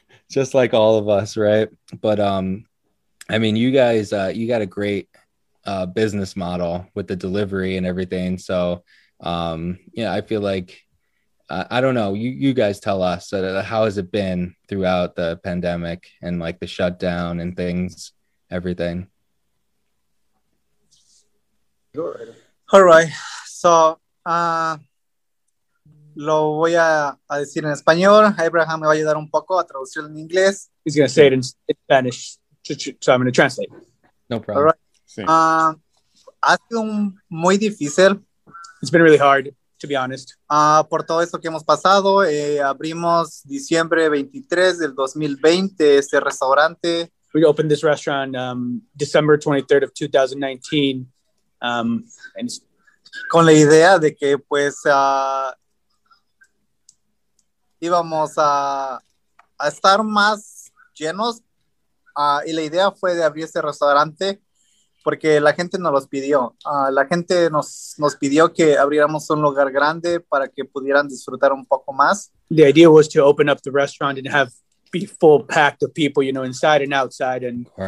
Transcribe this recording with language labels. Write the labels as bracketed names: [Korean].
[English] just like all of us, right? But I mean, you guys, you got a great business model with the delivery and everything. So yeah, I feel like I don't know. You guys tell us, how has it been throughout the pandemic and like the shutdown and things, everything? All right. [Spanish] So, lo voy a decir en español. Abraham me va a ayudar un poco a traducir en inglés. [English] He's going to say it in Spanish. So I'm going to translate. No All right. problem. Sí. [Spanish] Ha sido muy difícil. [English] It's been really hard, to be honest. [Spanish] Por todo esto que hemos pasado, abrimos diciembre 23 del 2020 este restaurante. [English] we opened this restaurant December 23rd of 2019. [Spanish] Con la idea de que pues íbamos a estar más llenos. Y la idea fue de abrir este restaurante porque la gente nos los pidió. La gente nos pidió que abriéramos un lugar grande para que pudieran disfrutar un poco más. [English] The idea was to open up the restaurant and have be full packed of people, you know, inside and outside, and